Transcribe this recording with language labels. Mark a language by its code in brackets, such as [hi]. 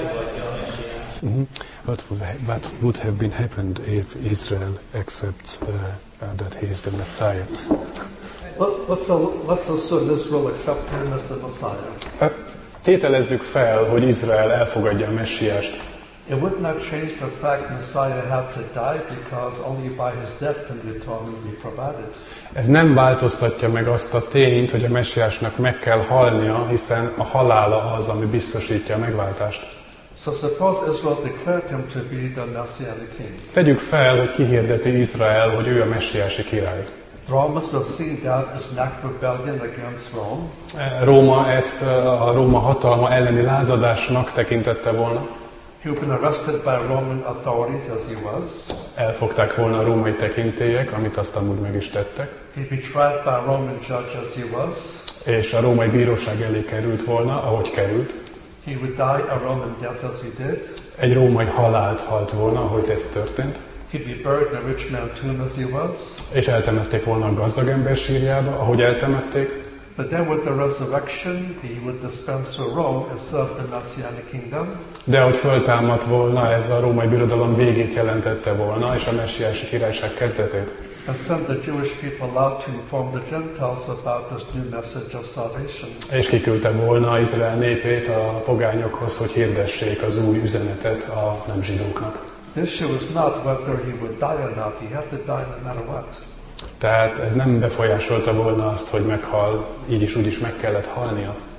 [en] What would have been happened if Israel accepts that he is the Messiah? Let's assume Israel accept him as the Messiah. [hu] Tételezzük fel, hogy Izrael elfogadja a Messiást. [en] It would not change the fact Messiah had to die because only by his death can the atonement be provided. [hu] Ez nem változtatja meg azt a tényt, hogy a Messiásnak meg kell halnia, hiszen a halála az, ami biztosítja a megváltást. [en] So suppose Israel declared him to be the Messianic king. [hu] Tegyük fel, hogy kihirdeti Izrael, hogy ő a messiási király. [en] Romans will see that as an act of rebellion against Rome. [hu] Róma ezt a Róma hatalma elleni lázadásnak tekintette volna. [en] He would have been arrested by Roman authorities as he was. [hu] Elfogták volna a római tekintélyek, amit aztán úgy meg is tettek. [en] He'd be tried by a Roman judge as he was. [hu] És a római bíróság elé került volna, ahogy került. [en] He would die a Roman death as he did. [hu] Egy római halált halt volna, ahogy ez történt. [en] He'd be buried in a rich man's tomb as he was. [hu] És eltemették volna a gazdag ember sírjába, ahogy eltemették. [en] But then with the resurrection, he would dispense to Rome and serve the Messianic kingdom. [hu] De ahogy föltámadt volna, ez a római birodalom végét jelentette volna, és a messiási királyság kezdetét. [en] And sent the Jewish people out to inform the Gentiles about this new message of salvation. [hu] És kiküldte volna Izrael népét a pogányokhoz, hogy hirdessék az új üzenetet a nem zsidóknak. [en] The issue was not whether he would die or not. He had to die no matter what. [hu] Tehát ez nem befolyásolta volna azt, hogy meghal, így is úgy is meg kellett halnia.